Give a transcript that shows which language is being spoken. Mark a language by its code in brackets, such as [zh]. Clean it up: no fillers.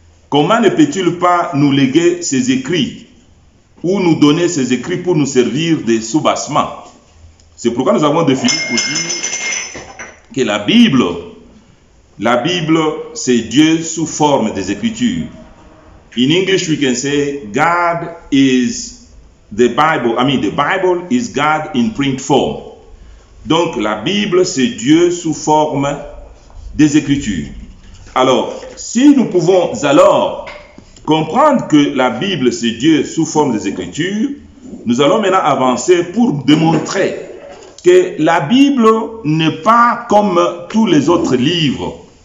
[fr] Comment ne peut-il pas nous léguer ses écrits? Ou nous donner ses écrits pour nous servir de soubassement. C'est pourquoi nous avons défini pour dire que la Bible, c'est Dieu sous forme des Écritures. [en] In English, we can say God is the Bible. I mean, the Bible is God in print form. [fr] Donc, la Bible, c'est Dieu sous forme des Écritures. Alors, si nous pouvons alors comprendre que la Bible, c'est Dieu sous forme des Écritures, nous allons maintenant avancer pour démontrer que la Bible n'est pas comme tous les autres livres.